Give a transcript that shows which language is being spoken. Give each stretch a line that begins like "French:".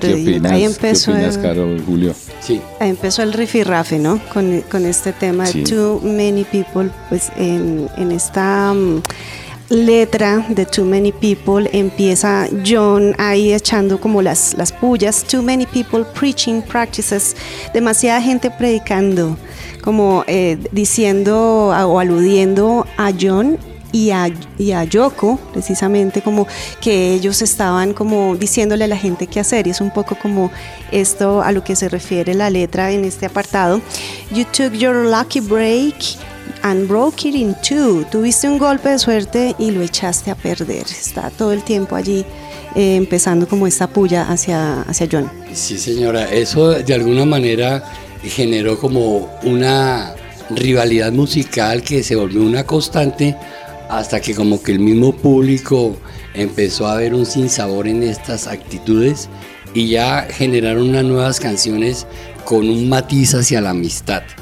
Spanish: ¿qué opinas, Carol, Julio? Sí. Ahí empezó el rifirrafe, ¿no? Con este tema, sí, de Too Many People, pues en esta letra de Too Many People empieza John ahí echando como las pullas.
English: Too many people preaching practices.
Spanish: Demasiada gente predicando, como diciendo o aludiendo a John y a Yoko, precisamente, como que ellos estaban como diciéndole a la gente qué hacer, y es un poco como esto a lo que se refiere la letra en este apartado.
English: You took your lucky break and broke it in two.
Spanish: Tuviste un golpe de suerte y lo echaste a perder. Está todo el tiempo allí empezando como esta puya hacia John. Sí, señora, eso de alguna manera generó como una rivalidad musical que se volvió una constante, hasta que como que el mismo público empezó a ver un sinsabor en estas actitudes y ya generaron unas nuevas canciones con un matiz hacia la amistad.